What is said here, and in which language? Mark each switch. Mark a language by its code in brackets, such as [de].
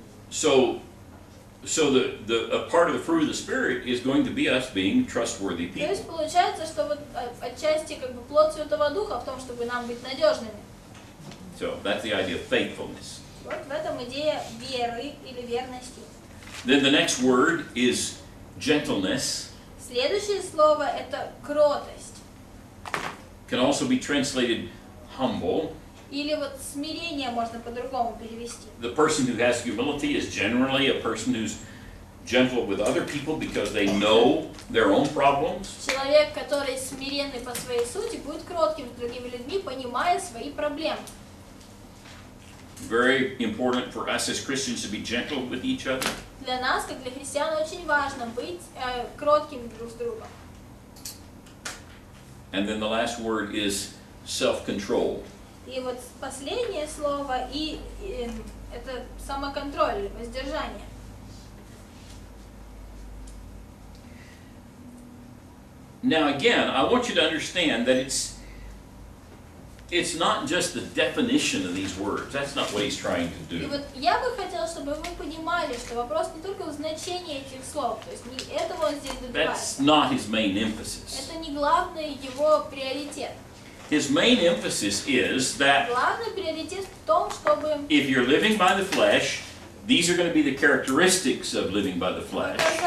[en] So the a part of the fruit of the Spirit is going to be us being trustworthy people. [ru] То есть получается, что вот отчасти как бы плод Святого Духа в том, чтобы нам быть надежными. [en] So that's the idea of faithfulness. [ru] Вот в этом идея веры или верности. [en] Then the next word is gentleness. [ru] Следующее слово это кротость. [en] Can also be translated humble. [ru] Или вот смирение можно по-другому перевести. [en] The person who has humility is generally a person who's gentle with other people because they know their own problems. [ru] Человек, который смиренный по своей сути, будет кротким с другими людьми, понимая свои проблемы. [en] Very important for us as Christians to be gentle with each other. [ru] Для нас, как для христиан, очень важно быть кротким друг с другом. [en] And then the last word is self-control. [ru] И вот последнее слово, и это самоконтроль, воздержание. [en] Now again, I want you to understand that it's not just the definition of these words. That's not what he's trying to do. [ru] И вот я бы хотел, чтобы вы понимали, что вопрос не только в значении этих слов, то есть не этого он здесь добивается. [en] That's not his main emphasis. [ru] Это не главный его приоритет. [en] His main emphasis is that [ru] главный приоритет в том, чтобы [en] if you're living by the flesh, these are going to be the characteristics of living by the flesh.